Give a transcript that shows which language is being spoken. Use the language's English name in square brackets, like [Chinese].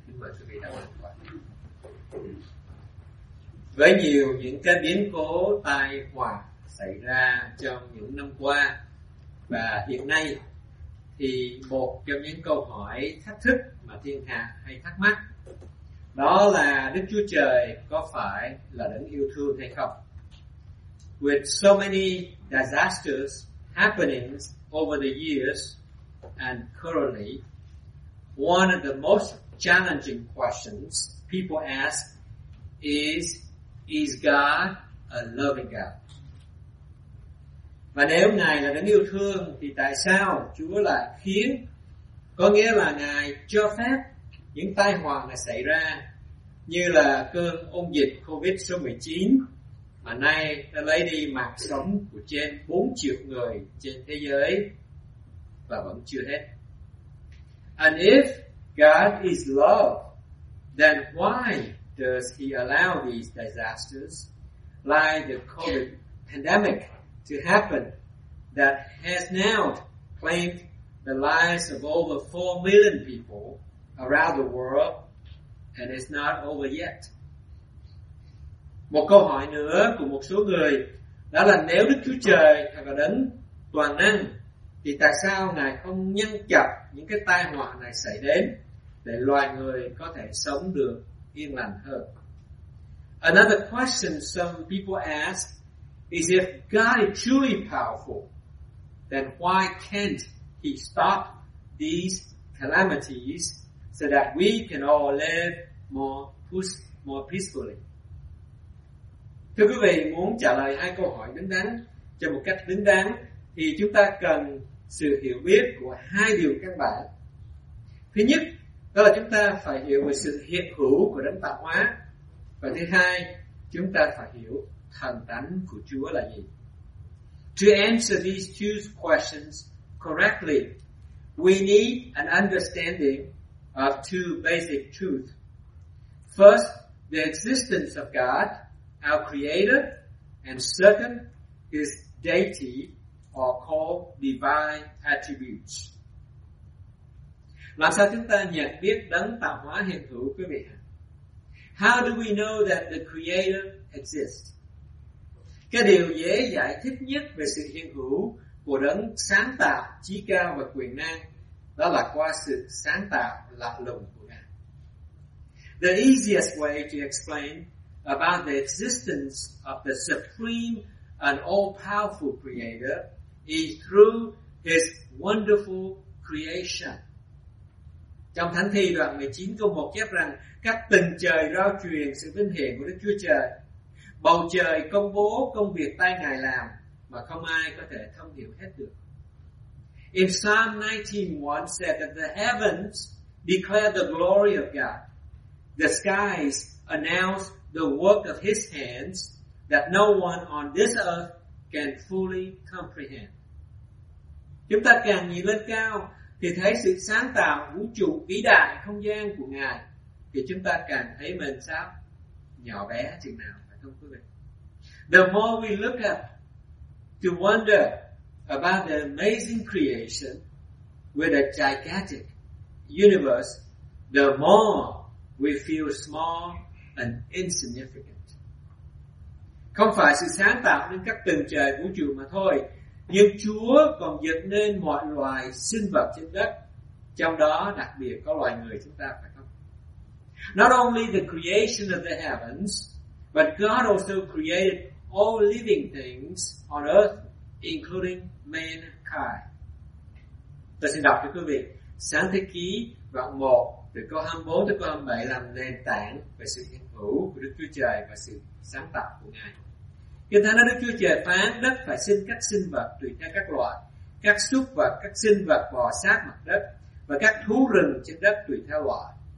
[Vietnamese] Chúng mời quý vị đọc lời của. Với nhiều những cái biến cố tai họa xảy ra trong những năm qua và hiện nay, thì một trong những câu hỏi thách thức mà thiên hạ hay thắc mắc đó là Đức Chúa Trời có phải là đấng yêu thương hay không? [English] With so many disasters happening over the years and currently, one of the most challenging questions people ask is God a loving God? [Vietnamese] Và nếu Ngài là đấng yêu thương thì tại sao Chúa lại khiến, có nghĩa là Ngài cho phép những tai họa này xảy ra, như là cơn ôn dịch COVID số 19 mà nay đã lấy đi mạng sống của trên 4 triệu người trên thế giới và vẫn chưa hết. [English] And if God is love, then why does He allow these disasters like the COVID pandemic to happen that has now claimed the lives of over 4 million people around the world, and it's not over yet? [Vietnamese] Một câu hỏi nữa của một số người đó là nếu Đức Chúa Trời thật là đấng toàn năng, thì tại sao Ngài không nhân chặt những cái tai họa này xảy đến để loài người có thể sống được yên lành hơn? [English] Another question some people ask is, if God is truly powerful, then why can't He stop these calamities so that we can all live more peacefully? [Vietnamese] Thưa quý vị, muốn trả lời hai câu hỏi đứng đắn cho một cách đứng đắn thì chúng ta cần sự hiểu biết của hai điều căn bản. Thứ nhất, đó là chúng ta phải hiểu về sự hiện hữu của đấng tạo hóa. Và thứ hai, chúng ta phải hiểu thần tánh của Chúa là gì. [English] To answer these two questions correctly, we need an understanding of two basic truths. First, the existence of God, our Creator, and second, His deity, or called divine attributes. [Vietnamese] Làm sao chúng ta nhận biết đấng tạo hóa hiện hữu, quý vị? [English] How do we know that the Creator exists? [Vietnamese] Cái điều dễ giải thích nhất về sự hiện hữu của đấng sáng tạo, chí cao và quyền năng, đó là qua sự sáng tạo lạ lùng của Ngài. [English] The easiest way to explain about the existence of the supreme and all-powerful Creator is through His wonderful creation. [Vietnamese] Trong Thánh Thi đoạn 19 câu 1 chép rằng, các tầng trời rao truyền sự vinh hiển của Đức Chúa Trời. Bầu trời công bố công việc tay Ngài làm mà không ai có thể thông hiểu hết được. [English] In Psalm 19:1 said that the heavens declare the glory of God. The skies announce the work of His hands that no one on this earth can fully comprehend. [Vietnamese] Chúng ta càng nhìn lên cao thì thấy sự sáng tạo vũ trụ vĩ đại không gian của Ngài, thì chúng ta càng thấy mình sao nhỏ bé chừng nào, phải không quý vị? [English] The more we look up to wonder about the amazing creation with a gigantic universe, the more we feel small and insignificant. [Vietnamese] Không phải sự sáng tạo nên các tầng trời vũ trụ mà thôi, nhưng Chúa còn dựng nên mọi loài sinh vật trên đất, trong đó đặc biệt có loài người chúng ta, phải không? [English] Not only the creation of the heavens, but God also created all living things on earth, including mankind. [Vietnamese] Tôi xin đọc cho quý vị Sáng Thế Ký đoạn 1 từ câu 24 tới câu 27 làm nền tảng về sự hiện hữu của Đức Chúa Trời và sự sáng tạo của Ngài. Kinh Thánh nói, Đức Chúa Trời phán: đất phải sinh các sinh vật tùy theo các loại, các súc vật, các sinh vật bò sát mặt đất và các thú rừng trên đất tùy theo loại.